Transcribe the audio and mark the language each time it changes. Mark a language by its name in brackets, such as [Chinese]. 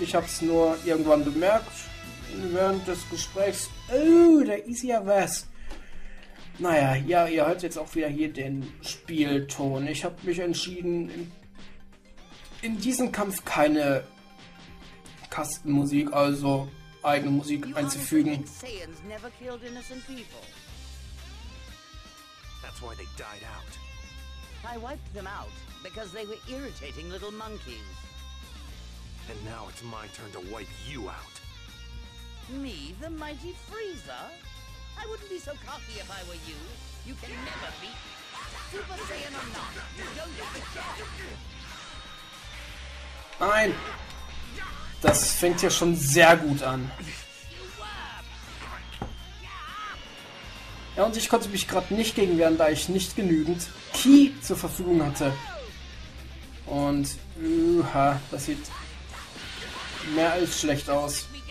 [German] Ich habe es nur irgendwann bemerkt während des Gesprächs. Oh, da ist ja was. Naja, ja, ihr hört jetzt auch wieder hier den Spielton. Ich habe mich entschieden, in diesem Kampf keine Kastenmusik, also eigene Musik einzufügen. [English] Saiyans never killed innocent people. That's why they died out. I wiped them out because they were irritating little monkeys. And now it's my turn to wipe you out. Me, the mighty Frieza? I wouldn't be so cocky if I were you. You can never beat me. Super Saiyan or not, you don't get the job. [German] Nein. Das fängt ja schon sehr gut an. Ja, und ich konnte mich gerade nicht gegen wehren, da ich nicht genügend Ki zur Verfügung hatte. Und, das sieht mehr als schlecht aus.